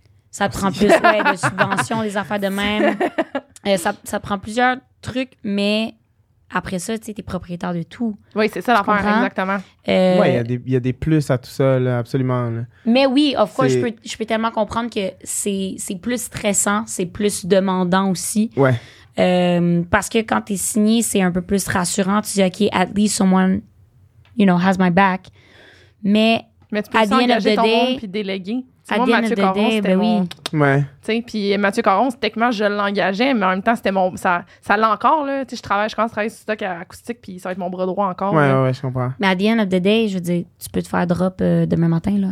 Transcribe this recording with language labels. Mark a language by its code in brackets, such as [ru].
[fr] Ça te prend plus de subventions, les affaires de même. ça prend plusieurs trucs, mais après ça, tu sais, t'es propriétaire de tout. Oui, c'est ça l'affaire, exactement. Oui, il y a des plus à tout ça, là, absolument. Là. Mais oui, of course, je peux tellement comprendre que c'est plus stressant, c'est plus demandant aussi. Ouais. Parce que quand t'es signé, c'est un peu plus rassurant. Tu dis, [en] OK, at least someone, you know, has my back. [fr] Mais tu peux aussi engager ton monde puis déléguer. Moi, Mathieu Caron, c'était Puis Mathieu Caron, techniquement, je l'engageais, mais en même temps, c'était mon... Ça l'a encore, là. Tu sais, je commence à travailler sur stock acoustique, puis ça va être mon bras droit encore. Ouais, je comprends. Mais à [en] the end of the day, [fr] je veux dire, tu peux te faire drop demain matin, là.